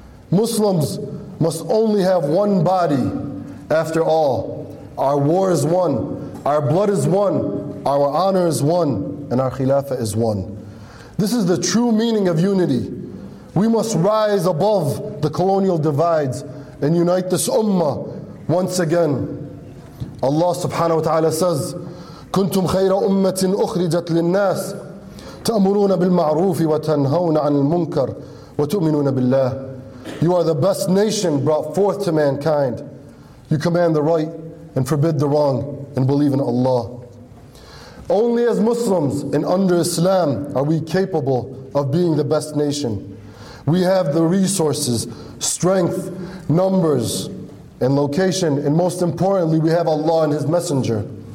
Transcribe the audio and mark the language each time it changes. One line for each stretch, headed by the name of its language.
English: Muslims must only have one body. After all, our war is one, our blood is one, our honor is one, and our Khilafah is one. This is the true meaning of unity. We must rise above the colonial divides and unite this Ummah once again.
Arabic: Allah subhanahu wa ta'ala says, كنتم خير أمة أخرجت للناس تأمرون بالمعروف وتنهون عن المنكر وتؤمنون بالله.
English: You are the best nation brought forth to mankind. You command the right and forbid the wrong and believe in Allah. Only as Muslims and under Islam are we capable of being the best nation. We have the resources, strength, numbers, and location, and most importantly, we have Allah and His Messenger.